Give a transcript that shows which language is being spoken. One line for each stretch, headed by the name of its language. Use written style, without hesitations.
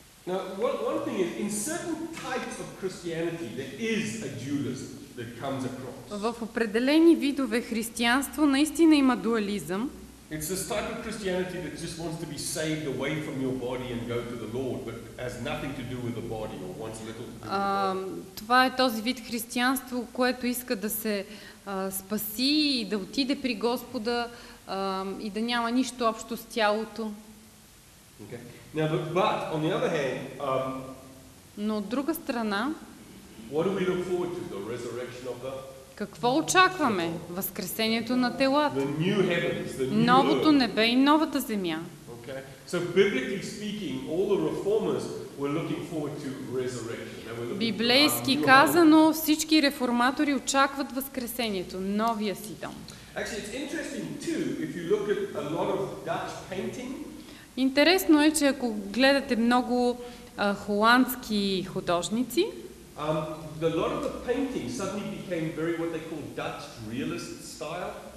English: Now, one thing is, in certain types of Christianity, there is a dualism that comes across.
Bulgarian: В определени видове християнство наистина има дуализъм.
English: It's this type of Christianity that just wants to be saved away from your body and go to the Lord, but has nothing to do with the body or wants little to do with the body.
Bulgarian: Това е този вид християнство, което иска да се спаси и да отиде при Господа и да няма нищо общо с тялото.
English: Okay. Now, but on the other hand,
Bulgarian: но от друга страна,
English: what do we look forward to? The resurrection of the...
Bulgarian: Какво очакваме? Възкресението на телата.
English: The new heavens, the new
Bulgarian: новото небе и новата земя.
English: Okay. So biblically speaking, all the reformers were looking forward to resurrection. They were looking
Bulgarian: Библейски казано, всички реформатори очакват възкресението, новия си дом.
English: Actually, it's interesting too if you look at a lot of Dutch painting.
Bulgarian: Интересно е, че ако гледате много холандски художници,
English: A lot of the painting suddenly became very what they call Dutch realist style.